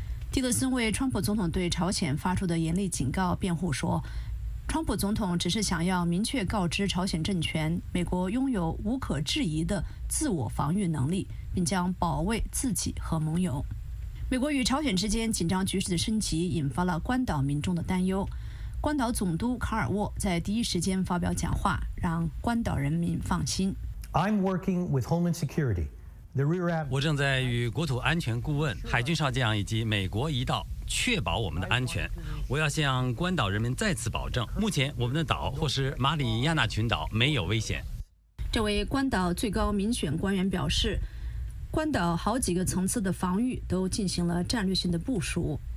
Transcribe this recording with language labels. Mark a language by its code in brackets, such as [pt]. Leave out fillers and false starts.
[zh] 蒂勒森为川普总统对朝鲜发出的严厉警告辩护说，川普总统只是想要明确告知朝鲜政权，美国拥有无可置疑的自我防御能力，并将保卫自己和盟友。美国与朝鲜之间紧张局势的升级引发了关岛民众的担忧。关岛总督卡尔沃在第一时间发表讲话，让关岛人民放心。 [en] I'm working with Homeland Security. The Rear Admiral. [zh] 我正在与国土安全顾问、海军少将以及美国一道，确保我们的安全。我要向关岛人民再次保证，目前我们的岛或是马里亚纳群岛没有危险。这位关岛最高民选官员表示，关岛好几个层次的防御都进行了战略性的部署。